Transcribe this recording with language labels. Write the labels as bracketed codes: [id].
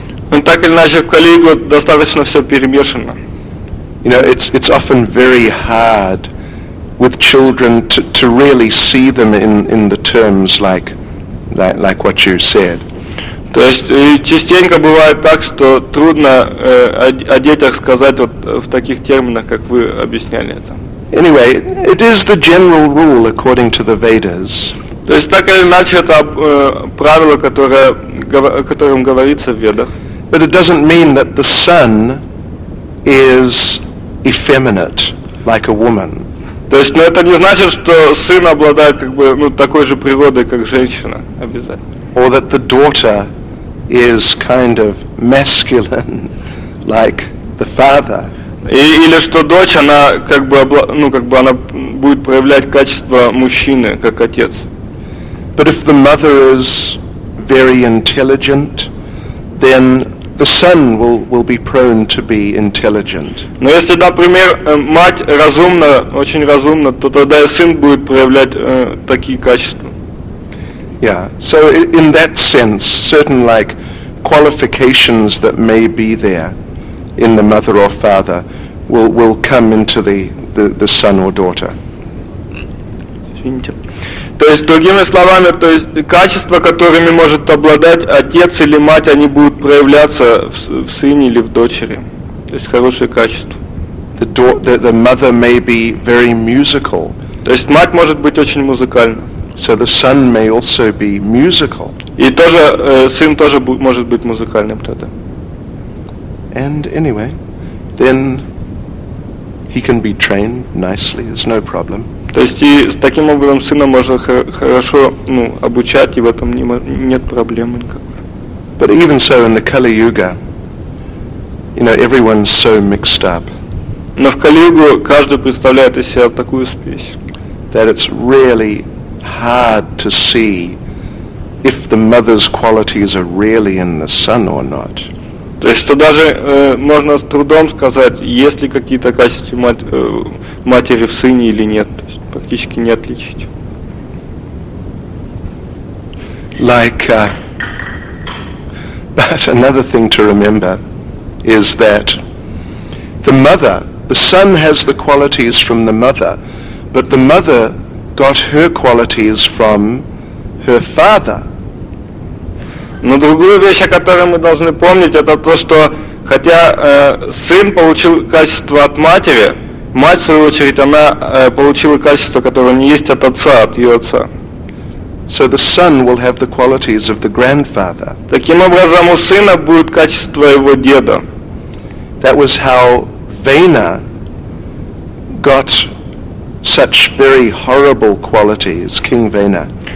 [ru] Ну так или иначе в Кали Юге достаточно все перемешано. [en] You know, it's often very hard with children to really see them in the terms like what you said. [ru] То есть частенько бывает так, что трудно о детях сказать вот в таких терминах, как вы объясняли это. [en] Anyway, it is the general rule according to the Vedas. [ru] То есть так или иначе это правило, о котором говорится в Ведах. [en] But it doesn't mean that the son is effeminate, like a woman. [ru] То есть, ну это не значит, что сын обладает как бы ну такой же природой, как женщина, обязательно. [en] Or that the daughter is kind of masculine, like the father. [ru] И, или что дочь, она как бы обла- ну как бы она будет проявлять качество мужчины, как отец. [en] But if the mother is very intelligent, then the son will be prone to be intelligent. [ru] Но если, например, мать разумна, очень разумна, то тогда и сын будет проявлять такие качества. [en] Yeah. So in that sense, certain like qualifications that may be there in the mother or father will come into the son or daughter. [ru] Извините. То есть, другими словами, то есть качества, которыми может обладать отец или мать, они будут проявляться в сыне или в дочери. То есть хорошие качества. [en] The mother may be very musical. [ru] То есть мать может быть очень музыкальна. [en] So the son may also be musical. [ru] И тоже сын тоже может быть музыкальным тогда. [en] And anyway, then he can be trained nicely, there's no problem. [ru] То есть и таким образом сына можно хорошо ну, обучать, и в этом нет проблем никакой. [en] But even so, in the Kali Yuga, you know, everyone's so mixed up. [ru] Но в Кали-Югу каждый представляет из себя такую спесь. [en] That it's really hard to see if the mother's qualities are really in the son or not. [ru] То есть, что даже можно с трудом сказать, есть ли какие-то качества матери в сыне или нет. То есть, практически не отличить. [en] Like, but another thing to remember is that the mother, the son has the qualities from the mother, but the mother got her qualities from her father. [ru] Но другую вещь, о которой мы должны помнить, это то, что хотя сын получил качество от матери, мать, в свою очередь, она получила качество, которое не есть от отца, от ее отца. [en] So the son will have the qualities of the grandfather. [ru] Таким образом, у сына будет качество его деда. [en] That was how Vena got such very horrible qualities, King Vena.